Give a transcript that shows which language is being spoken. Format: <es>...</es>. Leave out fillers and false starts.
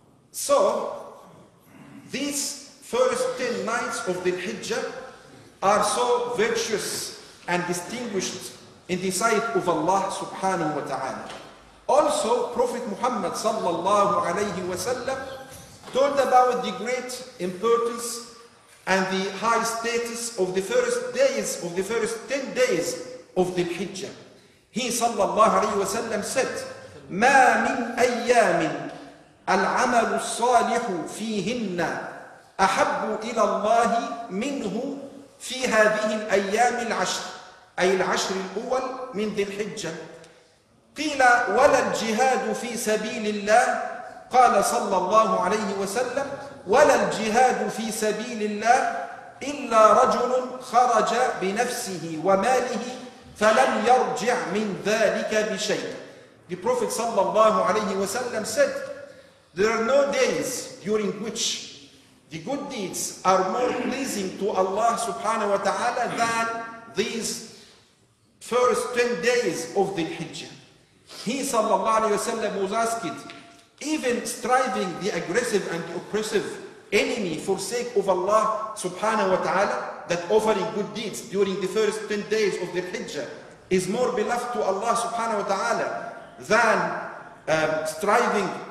<en>So, these first 10 nights of Dhul Hijjah are so virtuous and distinguished in the sight of Allah subhanahu wa ta'ala. Also, Prophet Muhammad sallallahu alayhi wa sallam told about the great importance and the high status of the first days, of the first 10 days of Dhul Hijjah.</en> <ar>He sallallahu alayhi wa sallam said, مَا مِنْ أَيَّامٍ العمل الصالح فيهن أحب إلى الله منه في هذه الأيام العشر, أي العشر الأول من ذي الحجة. قيل ولا الجهاد في سبيل الله, قال صلى الله عليه وسلم ولا الجهاد في سبيل الله إلا رجل خرج بنفسه وماله فلم يرجع من ذلك بشيء.</ar> <en>The Prophet صلى الله عليه وسلم said, there are no days during which the good deeds are more pleasing to Allah subhanahu wa ta'ala than these first 10 days of the Hijjah. He sallallahu alayhi wa sallam was asked, even striving the aggressive and oppressive enemy for sake of Allah subhanahu wa ta'ala, that offering good deeds during the first 10 days of the Hijjah is more beloved to Allah subhanahu wa ta'ala than striving</en>